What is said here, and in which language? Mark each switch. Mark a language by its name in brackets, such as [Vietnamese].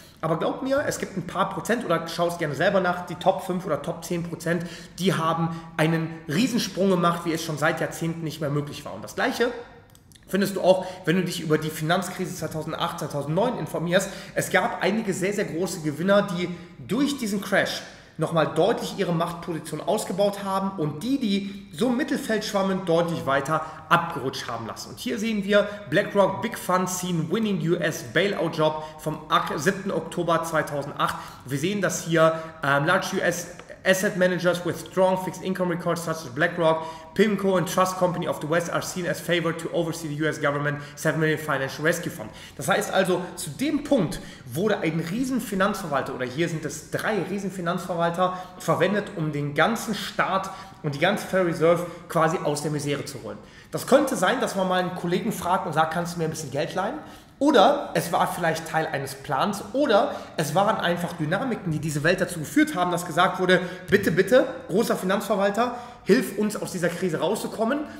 [German] Aber glaub mir, es gibt ein paar Prozent, oder schau es gerne selber nach, die Top 5 oder Top 10%, die haben einen Riesensprung gemacht, wie es schon seit Jahrzehnten nicht mehr möglich war. Und das Gleiche findest du auch, wenn du dich über die Finanzkrise 2008, 2009 informierst. Es gab einige sehr, sehr große Gewinner, die durch diesen Crash nochmal deutlich ihre Machtposition ausgebaut haben und die, die so im Mittelfeld schwammen, deutlich weiter abgerutscht haben lassen. Und hier sehen wir [English] BlackRock Big Fund Seen Winning US Bailout Job [German] vom 7. Oktober 2008. Wir sehen, dass hier [English] Large US Asset Managers with strong fixed income records such as BlackRock, PIMCO and Trust Company of the West are seen as favored to oversee the US government 7 million financial rescue fund. [German] Das heißt also, zu dem Punkt wurde ein Riesenfinanzverwalter, oder hier sind es drei Riesenfinanzverwalter, verwendet, um den ganzen Staat und die ganze Federal Reserve quasi aus der Misere zu holen. Das könnte sein, dass man mal einen Kollegen fragt und sagt, kannst du mir ein bisschen Geld leihen? Oder es war vielleicht Teil eines Plans, oder es waren einfach Dynamiken, die diese Welt dazu geführt haben, dass gesagt wurde, bitte, bitte, großer Finanzverwalter, hilf uns aus dieser Krise rauszukommen.